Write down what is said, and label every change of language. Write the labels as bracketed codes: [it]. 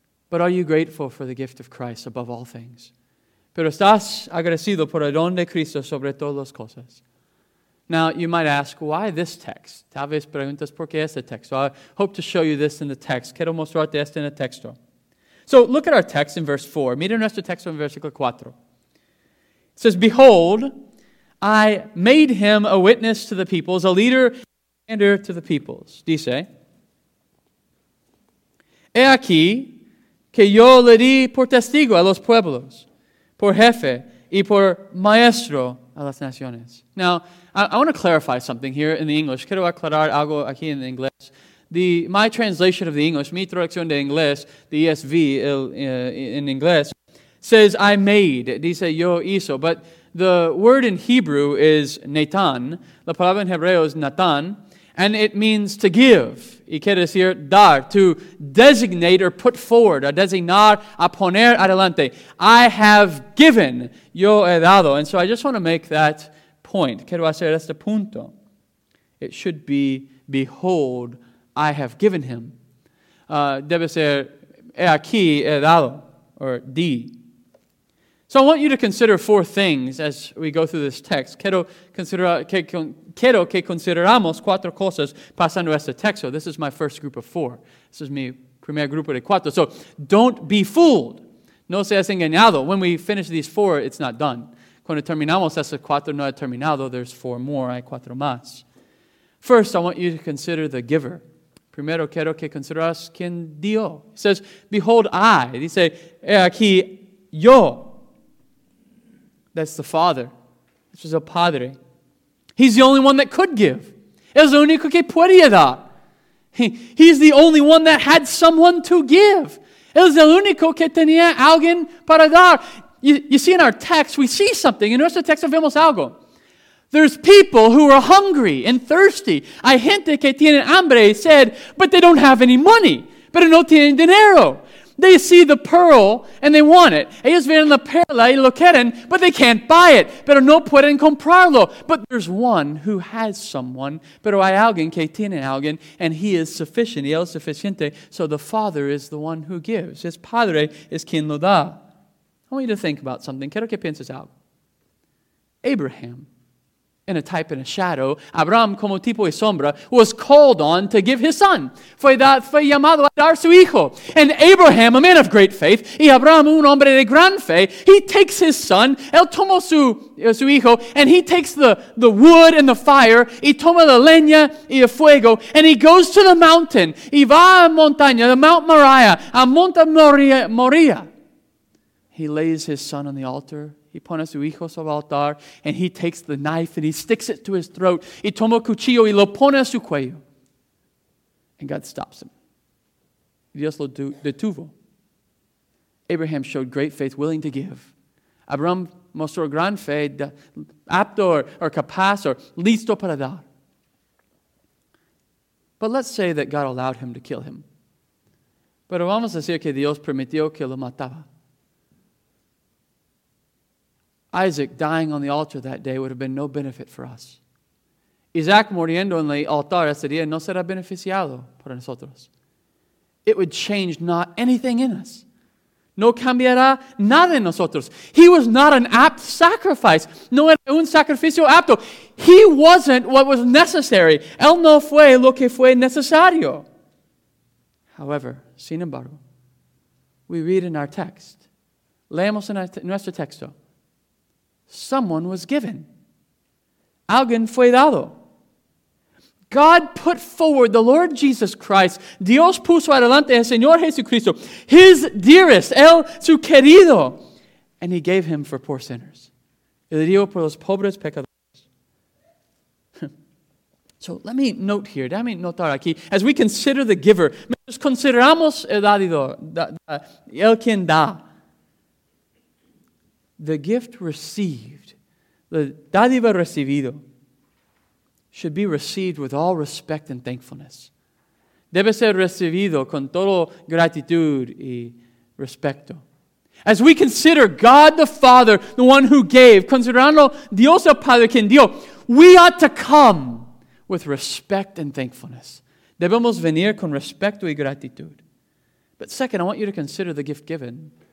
[en] But are you grateful for the gift of Christ above all things? [es] Pero estás agradecido por el don de Cristo sobre todas las cosas. [en] Now, you might ask, why this text? [es] Tal vez preguntas, ¿por qué este texto? [en] I hope to show you this in the text. [es] Quiero mostrarte este en el texto. [en] So, look at our text in verse 4. [es] Mira nuestro texto en versículo 4. [en] It says, behold, I made him a witness to the peoples, a leader and heir to the peoples. [es] Dice, he aquí que yo le di por testigo a los pueblos, por jefe y por maestro a las naciones. [en] Now, I want to clarify something here in the English. [es] Quiero aclarar algo aquí en inglés. [en] My translation of the English, [es] mi traducción de inglés, [en] the ESV in English, says I made, [es] dice yo hizo. [en] But the word in Hebrew is netan. [es] La palabra en hebreo es natan. [en] And it means to give. [es] Y quiere decir dar, [en] to designate or put forward, [es] a designar, a poner adelante. [en] I have given, [es] yo he dado. [en] And so I just want to make that point. [es] Quiero hacer este punto. [en] It should be, behold, I have given him. [es] Debe ser, he aquí, he dado, [en] or di. So I want you to consider four things as we go through this text. [es] Quiero que consideramos cuatro cosas pasando este texto. [en] This is my first group of four. This is [es] mi primer grupo de cuatro. [en] So don't be fooled. [es] No seas engañado. [en] When we finish these four, it's not done. [es] Cuando terminamos estos cuatro, no ha terminado. [en] There's four more. [es] Hay cuatro más. [en] First, I want you to consider the giver. [es] Primero, quiero que consideras quien dio. [en] It says, behold, I. [es] Dice, he aquí, yo. [en] That's the Father. This is [es] el Padre. [en] He's the only one that could give. [es] Es el único que podía dar. [en] He's the only one that had someone to give. [es] Es el único que tenía alguien para dar. [en] You see, in our text, we see something. [es] En nuestro texto vemos algo. [en] There's people who are hungry and thirsty. [es] Hay gente que tienen hambre, [en] said, but they don't have any money. [es] Pero no tienen dinero. [en] They see the pearl and they want it. [es] Ellos ven la perla y lo quieren, [en] but they can't buy it. [es] Pero no pueden comprarlo. [en] But there's one who has someone. [es] Pero hay alguien que tiene alguien, [en] and he is sufficient. [es] Y él es suficiente. [en] So the Father is the one who gives. His [es] Padre es quien lo da. [en] I want you to think about something. [es] Quiero que pienses algo. [en] Abraham, in a type and a shadow, [es] Abraham como tipo y sombra, [en] was called on to give his son. [es] Fue llamado a dar su hijo. [en] And Abraham, a man of great faith, [es] y Abraham un hombre de gran fe, [en] he takes his son, [es] él tomó su hijo, [en] and he takes the wood and the fire, [es] y toma la leña y el fuego, [en] and he goes to the mountain, [es] y va a montaña, [en] the Mount Moriah, [es] a Monte Moria. [en] He lays his son on the altar. [es] Y pone a su hijo sobre el altar, [en] and he takes the knife and he sticks it to his throat. [es] Y toma el cuchillo y lo pone a su cuello. [en] And God stops him. [es] Dios lo detuvo. [en] Abraham showed great faith, willing to give. [es] Abraham mostró gran fe, apto or capaz or listo para dar. [en] But let's say that God allowed him to kill him. [es] Pero vamos a decir que Dios permitió que lo mataba. [en] Isaac dying on the altar that day would have been no benefit for us. [es] Isaac muriendo en el altar ese día no será beneficiado para nosotros. [en] It would change not anything in us. [es] No cambiará nada en nosotros. [en] He was not an apt sacrifice. [es] No era un sacrificio apto. [en] He wasn't what was necessary. [es] Él no fue lo que fue necesario. [en] However, [es] sin embargo, [en] we read in our text. [es] Leemos en nuestro texto. [en] Someone was given. [es] Alguien fue dado. [en] God put forward the Lord Jesus Christ. [es] Dios puso adelante al Señor Jesucristo. [en] His dearest, [es] el su querido. [en] And he gave him for poor sinners. [es] Y le dio por los pobres pecadores. [en] So So let me note here, [es] déjame notar aquí, [en] as we consider the giver, [es] mientras consideramos el dador, el quien da, [en] the gift received, the [es] dádiva recibido, [en] should be received with all respect and thankfulness. [es] Debe ser recibido con todo gratitud y respeto. [en] As we consider God the Father, the one who gave, [es] considerando Dios el Padre quien dio, [en] we ought to come with respect and thankfulness. [es] Debemos venir con respeto y gratitud. [en] But second, I want you to consider the gift given.